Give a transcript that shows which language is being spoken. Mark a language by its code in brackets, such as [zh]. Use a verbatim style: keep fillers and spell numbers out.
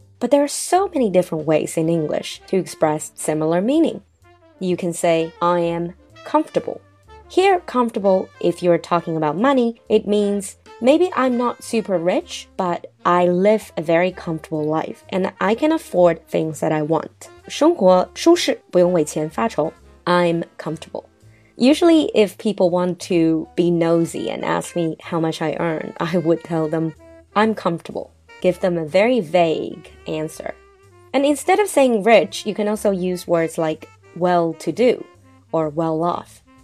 [en] But there are so many different ways in English to express similar meaning. You can say, I am comfortable. Here, comfortable, if you're talking about money, it means maybe I'm not super rich, but I live a very comfortable life, and I can afford things that I want. [zh] 生活舒适，不用为钱发愁。 [en] I'm comfortable. Usually, if people want to be nosy and ask me how much I earn, I would tell them, I'm comfortable. Give them a very vague answer. And instead of saying rich, you can also use words like well-to-do. Or well off.